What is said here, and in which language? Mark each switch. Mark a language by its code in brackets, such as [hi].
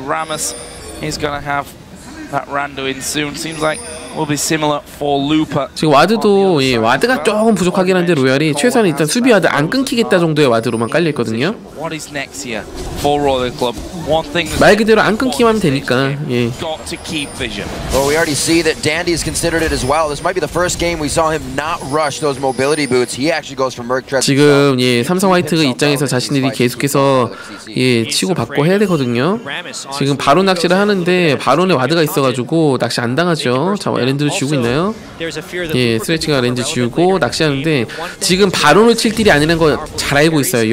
[en] Ramus is gonna have that Rando in soon. Seems like will be similar for Looper. [ko] 지금 와드도 예 와드가 조금 부족하긴 한데 로얄이 최소한 일단 수비 와드 안 끊기겠다 정도의 와드로만 깔려 있거든요. [en] What is next here for Royal Club? One thing. [ko] 말 그대로 안 끊기면 되니까 예. [en] Got to keep vision. Well, we already see that Dandy is considered it as well. This might be the first game we saw him not rush those mobility boots. He actually goes for Merc Dress. [ko] 지금 예 삼성 화이트가 입장에서 자신들이 계속해서 예 치고 받고 해야 되거든요. 지금 바론 낚시를 하는데 바론에 와드가 있어가지고 낚시 안 당하죠. 자. 랜드도 지우고 있나요? 예, 스트레치가 랜드 지우고 낚시하는데 지금 바론을 칠 딜이 아니라는 거 잘 알고 있어요.